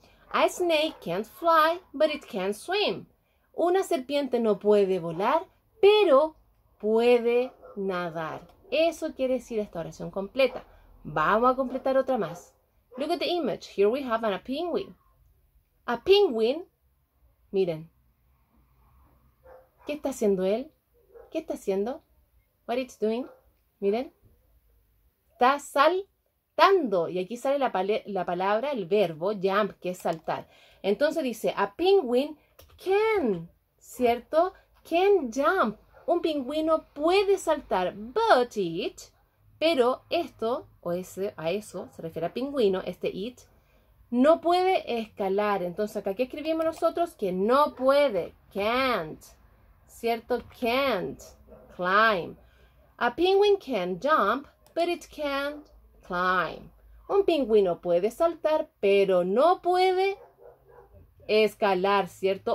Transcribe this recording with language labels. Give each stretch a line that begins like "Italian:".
English: A snake can't fly, but it can swim.
Spanish: Una serpiente no puede volar, pero puede nadar. Eso quiere decir esta oración completa. Vamos a completar otra más.
English: Look at the image. Here we have a penguin. A penguin.
Spanish: Miren. ¿Qué está haciendo él? ¿Qué está haciendo?
English: What it's doing?
Spanish: Miren, está saltando. Y aquí sale la palabra, el verbo jump, que es saltar. Entonces dice,
English: a penguin can, ¿cierto? Can jump.
Spanish: Un pingüino puede saltar,
English: but it,
Spanish: pero esto, o ese, a eso se refiere a pingüino, este it, no puede escalar. Entonces acá, ¿qué escribimos nosotros? Que no puede, can't, ¿cierto?
English: Can't climb. A penguin can jump, but it can't climb.
Spanish: Un pingüino puede saltar, pero no puede escalar, ¿cierto?